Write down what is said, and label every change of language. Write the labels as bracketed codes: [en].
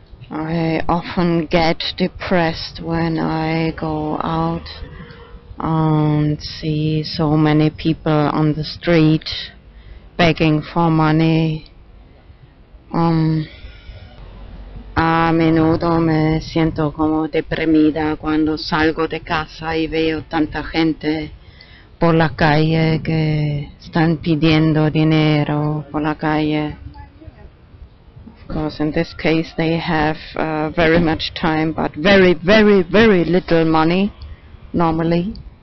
[en] I often get depressed when I go out and see so many people on the street begging for money. [es] A menudo me siento como deprimida cuando salgo de casa y veo tanta gente por la calle que están pidiendo dinero por la calle. [en] Of course, in this case they have very much time but very, very, very little money normally.